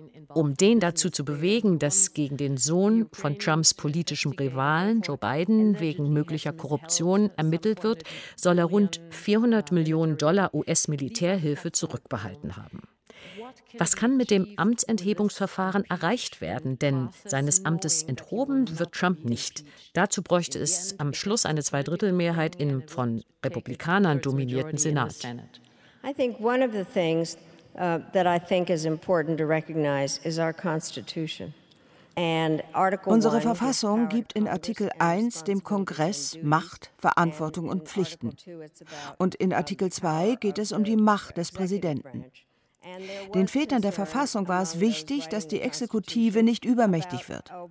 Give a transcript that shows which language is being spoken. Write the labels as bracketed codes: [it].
[de] Um den dazu zu bewegen, dass gegen den Sohn von Trumps politischem Rivalen Joe Biden wegen möglicher Korruption ermittelt wird, soll er rund 400 Millionen Dollar US-Militärhilfe zurückbehalten haben. Was kann mit dem Amtsenthebungsverfahren erreicht werden? Denn seines Amtes enthoben wird Trump nicht. Dazu bräuchte es am Schluss eine Zweidrittelmehrheit im von Republikanern dominierten Senat. [en] I think one of the things that I think is important to recognize is our Constitution. [de] Unsere Verfassung gibt in Artikel 1 dem Kongress Macht, Verantwortung und Pflichten. Und in Artikel 2 geht es um die Macht des Präsidenten. Den Vätern der Verfassung war es wichtig, dass die Exekutive nicht übermächtig wird.